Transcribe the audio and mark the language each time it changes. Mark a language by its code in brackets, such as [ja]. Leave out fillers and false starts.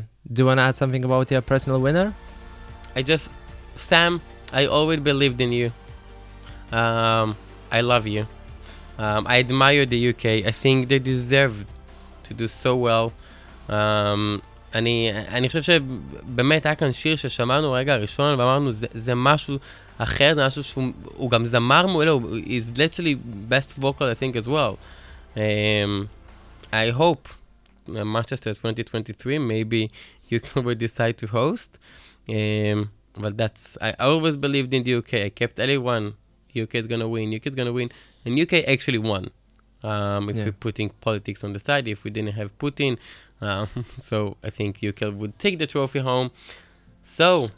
[en] Do you want to add something about your personal winner? Sam, I always believed in you. I love you. I admire the UK. I think they deserve to do so well. [he] אני חושב שבאמת היה כאן שיר ששמענו רגע הראשון ואמרנו זה משהו אחר, זה משהו שהוא גם זמר מעולה, הוא [en] is literally best vocal I think as well. I hope Manchester 2023 maybe you can decide to host. Well, that's, I always believed in the UK. I kept everyone, UK is gonna win, and UK actually won. We're putting politics on the side, if we didn't have Putin, so I think UK would take the trophy home. So